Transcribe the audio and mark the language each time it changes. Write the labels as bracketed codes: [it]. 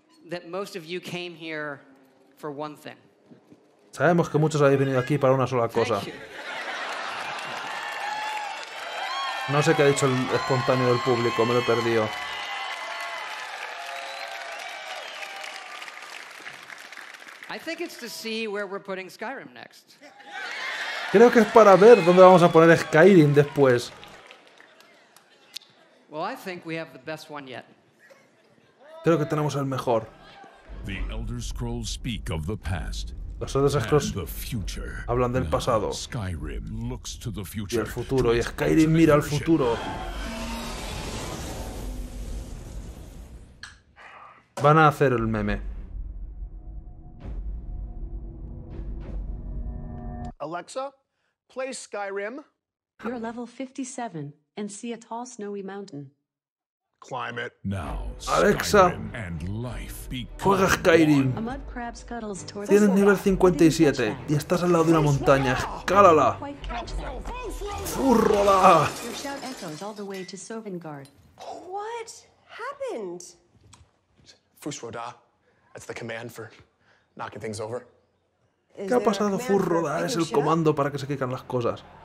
[en] That most of you came here for one thing. [es] Sabemos que muchos habéis venido aquí para una sola cosa. No sé qué ha dicho el espontáneo del público, me lo he perdido. [en] I think it's to see where we're putting Skyrim next. [es] Creo que es para ver dónde vamos a poner Skyrim después. [en] Well, I think we have the best one yet. [es] Creo que tenemos el mejor. [en] The Elder Scrolls speak of the past. [es] Los Elder Scrolls hablan del pasado. [en] Skyrim looks to the future. [es] Y el futuro. Y Skyrim mira al futuro. Van a hacer el meme. [en] Alexa, play Skyrim. You're level 57 and see a tall snowy mountain. Climb it. Now, Alexa, and life [es] juega Skyrim. Tienes nivel 57 y estás al lado de una montaña. ¡Escálala! ¡Fúrrala! [en] Your shout echoes all the way to Sovngarde. What happened? Fushroda, that's the command for knocking things over. [es] ¿Qué ha pasado, Fushroda? Es el comando para que se quiten las cosas.